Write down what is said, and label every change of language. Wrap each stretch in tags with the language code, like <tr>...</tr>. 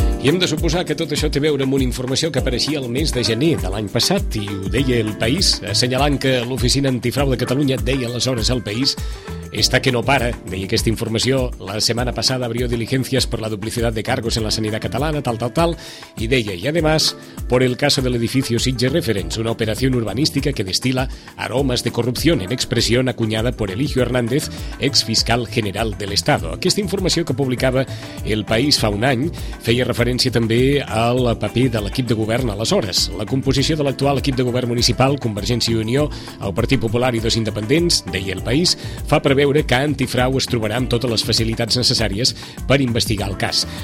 <ca>hem de suposar que tot això té a veure amb una informació que apareixia el mes de gener de l'any passat, i ho deia El País, assenyalant que l'Oficina Antifrau de Catalunya deia aleshores al País:</ca> <es>"Está que no para",</es> <ca>deia aquesta informació. La setmana passada</ca> <es>abrió diligencias per la duplicidad de cargos en la sanidad catalana,</es> <ca>tal, tal, tal, i deia:</ca> <es>"Y además, por el caso del edificio Sitges Reference, una operación urbanística que destila aromas de corrupción", en expresión acuñada por Eligio Hernández, exfiscal general del Estado.</es> <ca>Aquesta informació que publicava El País fa un any feia referència també al paper de l'equip de govern aleshores. La composició de l'actual equip de govern municipal, Convergència i Unió, el Partit Popular i dos independents, deia El País, fa preveure que Antifrau es trobarà amb totes les facilitats necessàries per investigar el cas.</ca>